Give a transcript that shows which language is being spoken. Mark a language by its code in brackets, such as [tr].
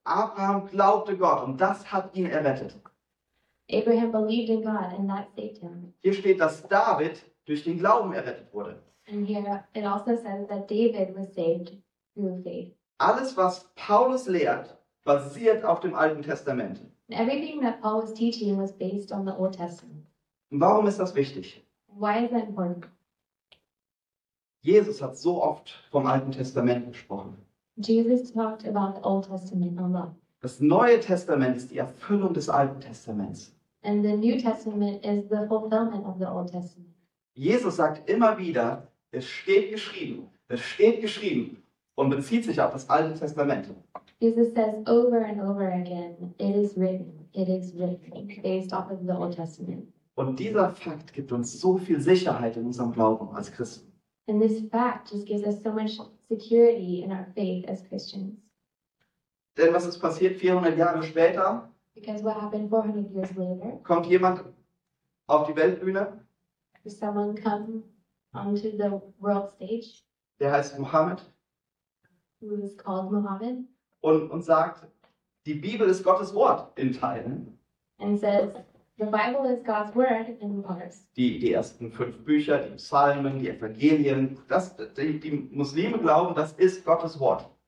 [de] Abraham glaubte Gott und das hat ihn errettet. [en] Abraham believed in God and that saved him. [de] Hier steht, dass David durch den Glauben errettet wurde. [en] And here it also says that David was saved through faith. [de] Alles, was Paulus lehrt, basiert auf dem Alten Testament. [en] Everything that Paul was teaching was based on the Old Testament. [de] Und warum ist das wichtig? [en] Why is that important? [de] Jesus hat so oft vom Alten Testament gesprochen. [en] Jesus talked about the Old Testament a lot. [de] Das Neue Testament ist die Erfüllung des Alten Testaments. [en] And the New Testament is the fulfillment of the Old Testament. [de] Jesus sagt immer wieder, es steht geschrieben und bezieht sich auf das Alte Testament. [en] Jesus says over and over again, it is written, based off of the Old Testament. [de] Und dieser Fakt gibt uns so viel Sicherheit in unserem Glauben als Christen. [en] And this fact just gives us so much security in our faith as Christians. [de] Denn was ist passiert 400 Jahre später? [en] Because what happened 400 years later? [de] Kommt jemand auf die Weltbühne? [en] Someone come onto the world stage? [de] Der heißt Mohammed. [en] Who is called Mohammed? [de] Und sagt, die Bibel ist Gottes Wort in Teilen. [en] And says, the Bible is God's word in parts. [de] Die ersten fünf Bücher, die Psalmen, die Evangelien, die Muslime glauben, das ist Gottes Wort.